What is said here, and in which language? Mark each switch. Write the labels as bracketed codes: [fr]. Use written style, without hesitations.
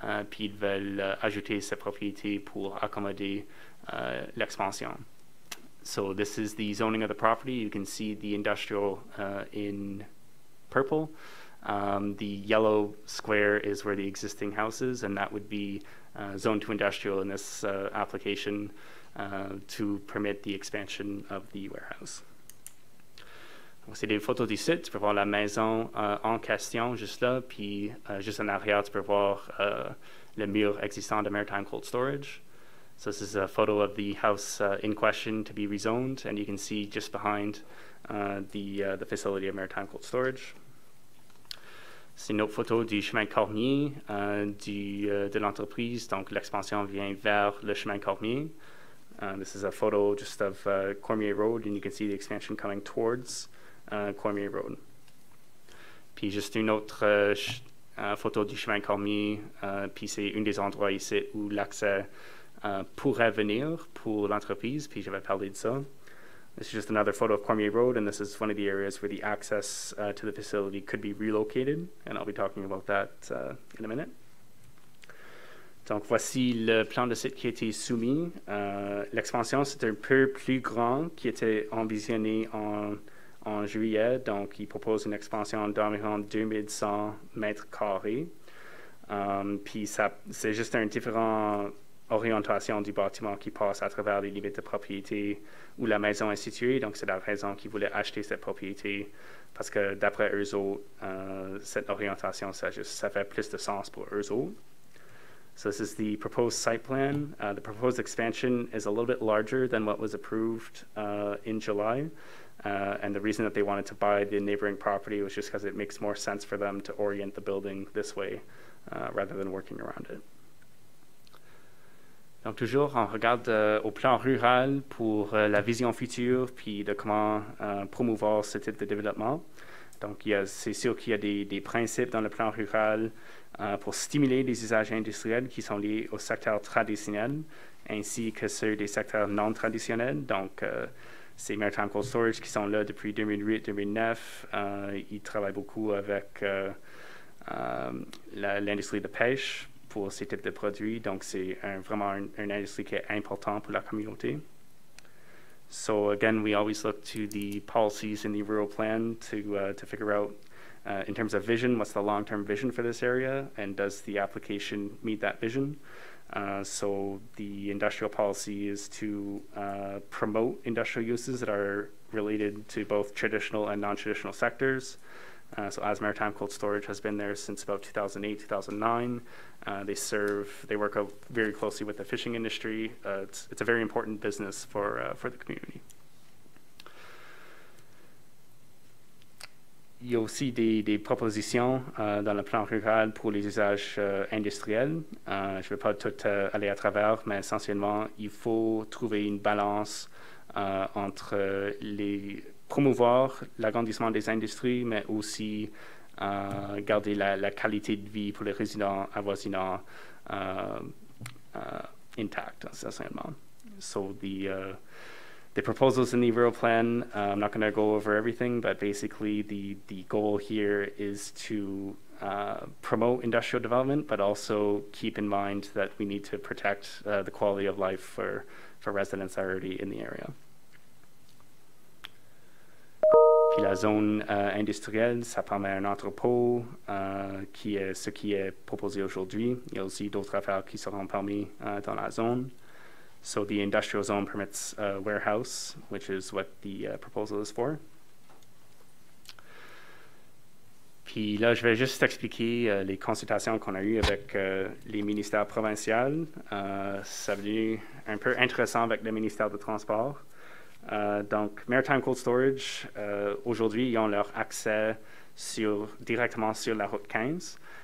[fr] Puis ils veulent ajouter ces propriétés pour accommoder l'expansion. [en] So this is the zoning of the property. You can see the industrial in purple. The yellow square is where the existing house is, and that would be zoned to industrial in this application to permit the expansion of the warehouse. [fr] C'est des photos du site, tu peux voir la maison en question juste là, puis juste en arrière, tu peux voir le mur existant de Maritime Cold Storage. [en] So this is a photo of the house in question to be rezoned, and you can see just behind the facility of Maritime Cold Storage. [fr] C'est une autre photo du chemin Cormier de l'entreprise, donc l'expansion vient vers le chemin Cormier. [en] This is a photo just of Cormier Road, and you can see the expansion coming towards Cormier Road. [fr] Puis juste une autre photo du chemin Cormier, puis c'est une des endroits ici où l'accès pourrait venir pour l'entreprise, puis j'avais parlé de ça. [en] This is just another photo of Cormier Road, and this is one of the areas where the access to the facility could be relocated, and I'll be talking about that in a minute. [fr] Donc voici le plan de site qui a été soumis. L'expansion, c'est un peu plus grand qui était envisionné en juillet, donc il propose une expansion d'environ 2100 mètres carrés. Puis ça, c'est juste une différente orientation du bâtiment qui passe à travers les limites de propriété où la maison est située, donc c'est la raison qu'ils voulaient acheter cette propriété, parce que d'après eux autres, cette orientation, ça fait plus de sens pour eux autres. [en] So this is the proposed site plan. The proposed expansion is a little bit larger than what was approved in July. And the reason that they wanted to buy the neighboring property was just because it makes more sense for them to orient the building this way rather than working around it. [fr] Donc toujours, on regarde au plan rural pour la vision future puis de comment promouvoir ce type de développement. Donc, c'est sûr qu'il y a des principes dans le plan rural pour stimuler les usages industriels qui sont liés au secteur traditionnel, ainsi que ceux des secteurs non traditionnels. Donc, c'est Maritime Cold Storage qui sont là depuis 2008-2009. Ils travaillent beaucoup avec l'industrie de pêche pour ces types de produits. Donc, c'est vraiment une industrie qui est importante pour la communauté. [en] So again, we always look to the policies in the rural plan to figure out, in terms of vision, what's the long-term vision for this area, and does the application meet that vision? So the industrial policy is to promote industrial uses that are related to both traditional and non-traditional sectors. So as Maritime Cold Storage has been there since about 2008, 2009. They work out very closely with the fishing industry. It's a very important business for the community. [fr] Il y a aussi des propositions dans le plan rural pour les usages industriels. Je ne vais pas tout aller à travers, mais essentiellement, il faut trouver une balance entre promouvoir l'agrandissement des industries, mais aussi garder la qualité de vie pour les résidents avoisinants intacte, essentiellement. [en] So the proposals in the rural plan, I'm not going to go over everything, but basically the goal here is to promote industrial development, but also keep in mind that we need to protect the quality of life for residents already in the area. [fr] Puis la zone industrielle, ça permet un entrepôt qui est ce qui est proposé aujourd'hui. Il y a aussi d'autres affaires qui seront permis dans la zone. [en] So the industrial zone permits a warehouse, which is what the proposal is for. [fr] Puis là, je vais juste expliquer les consultations qu'on a eues avec les ministères provinciaux. Ça a été un peu intéressant avec le ministère des Transports. Donc, Maritime Cold Storage, aujourd'hui, ils ont leur accès directement sur la route 15.